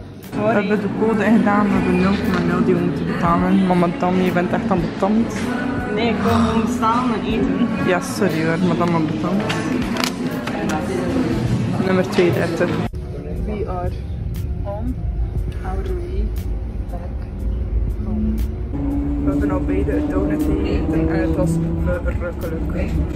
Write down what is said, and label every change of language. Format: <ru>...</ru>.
<nl>We hebben de code ingedaan, we hebben 0,0 die we moeten betalen. Mama Tammy, je bent echt aan betand. Nee, ik wil gewoon staan en eten. Ja, sorry hoor, maar dan betand. Nummer 32.</nl> <en>We are on our way back home.</en> <nl>We hebben al beide een donut gegeten en het was verrukkelijk.</nl>